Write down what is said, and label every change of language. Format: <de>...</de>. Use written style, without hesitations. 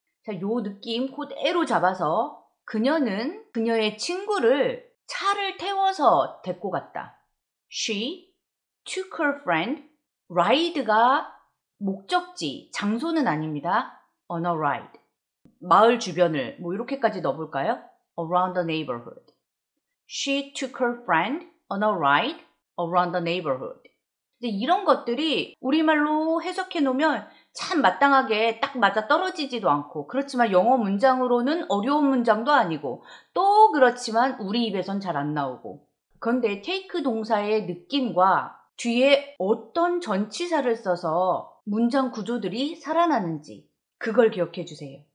<ko>자, 요 느낌 그대로 잡아서 그녀는 그녀의 친구를 차를 태워서 데리고 갔다.</ko> <en>She took her friend. Ride가</en> <ko>목적지, 장소는 아닙니다.</ko> <en>On a ride.</en> <ko>마을 주변을 뭐 이렇게까지 넣어볼까요?</ko> <en>Around the neighborhood. She took her friend on a ride around the neighborhood.</en> <ko>이제 이런 것들이 우리말로 해석해 놓으면 참 마땅하게 딱 맞아 떨어지지도 않고, 그렇지만 영어 문장으로는 어려운 문장도 아니고, 또 그렇지만 우리 입에선 잘 안 나오고. 그런데 take 동사의 느낌과 뒤에 어떤 전치사를 써서 문장 구조들이 살아나는지 그걸 기억해 주세요.</ko>